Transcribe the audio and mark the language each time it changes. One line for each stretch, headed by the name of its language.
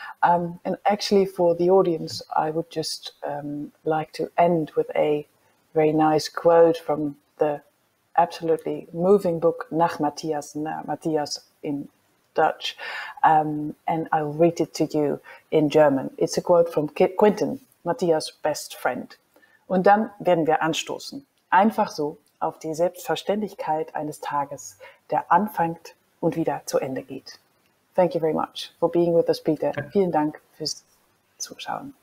English: And actually for the audience, I would just like to end with a very nice quote from the absolutely moving book, Nach Mattias, Nach Mattias in Dutch. And I'll read it to you in German. It's a quote from Quentin, Mattias' best friend.
German: Und dann werden wir anstoßen. Einfach so. Auf die Selbstverständlichkeit eines Tages, der anfängt und wieder zu Ende geht.
English: Thank you very much for being with us, Peter.
German: Vielen Dank fürs Zuschauen.